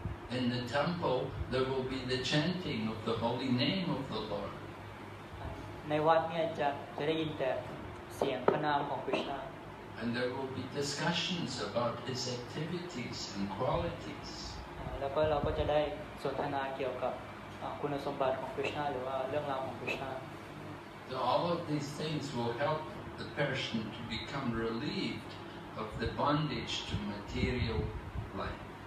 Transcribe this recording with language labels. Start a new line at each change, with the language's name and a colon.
English: In the temple, there will be the chanting of the holy name of the Lord.
Thai: ในวัดเนี่ยจะได้ยินแต่เสียงพระนามของพระเจ้า
English: And there will be discussions about his activities and qualities.
Thai: แล้วก็เราก็จะได้สนทนาเกี่ยวกับคุณสมบัติของพระเจ้าหรือว่าเรื่องราวของพระเจ้า
English: So all of these things will help the person to become relieved of the bondage to material life.